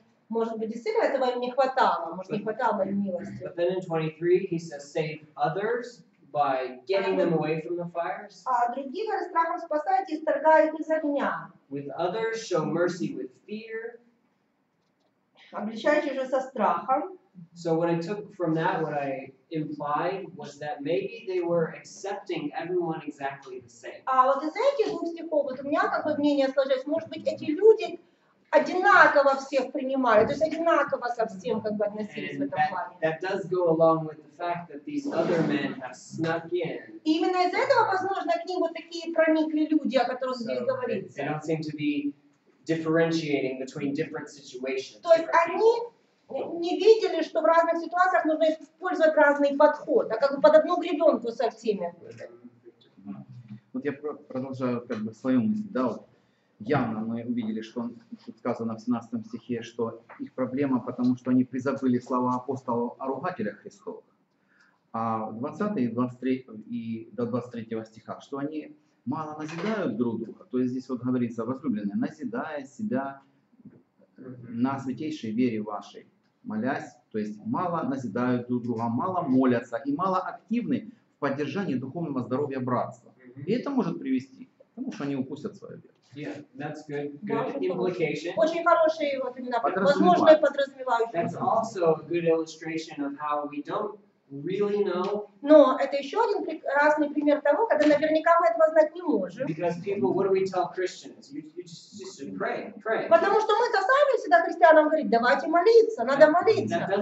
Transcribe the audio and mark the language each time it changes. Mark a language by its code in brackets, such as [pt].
[ru] Может быть, действительно этого им не хватало. Может, не хватало им милости. [en] But then in 23, he says, save others, by getting them away from the fires. [ru] А других страхом спасает и исторгает из огня. [en] With others, show mercy with fear. [ru] Обличающий же со страхом. [en] So what I took from that, what I implied, was that maybe they were accepting everyone exactly the same. [ru] А вот из этих двух стихов вот у меня такое мнение сложилось, может быть, эти люди одинаково всех принимали, то есть одинаково со всем как бы относились в этом плане. [en] That does go along with the fact that these other men have snuck in. [ru] И именно из этого, возможно, к ним вот такие проникли люди, о которых [en] so [ru] здесь говорится. [en] They don't seem to be differentiating between different situations. [ru] То есть они не видели, что в разных ситуациях нужно использовать разный подход, а как бы под одну гребенку со всеми. Вот я продолжаю как бы свою мысль, да, вот. Явно мы увидели, что тут сказано в 17 стихе, что их проблема, потому что они призабыли слова апостола о ругателях Христовых. А 20 и 23 и до 23 стиха, что они мало назидают друг друга. То есть здесь вот говорится, возлюбленные, назидая себя на святейшей вере вашей, молясь, то есть мало назидают друг друга, мало молятся и мало активны в поддержании духовного здоровья братства. И это может привести к тому, что они упустят свою веру. [en] Yeah, that's good. Good implication. [ru] Очень хорошие вот именно возможные подразумевающие. [en] That's also a good illustration of how we don't really know. [ru] Но это еще один прекрасный пример того, когда наверняка мы этого знать не можем. [en] Because people, what do we tell Christians? You just should pray, pray. [ru] Потому что мы-то сами всегда христианам говорим, давайте молиться, надо молиться.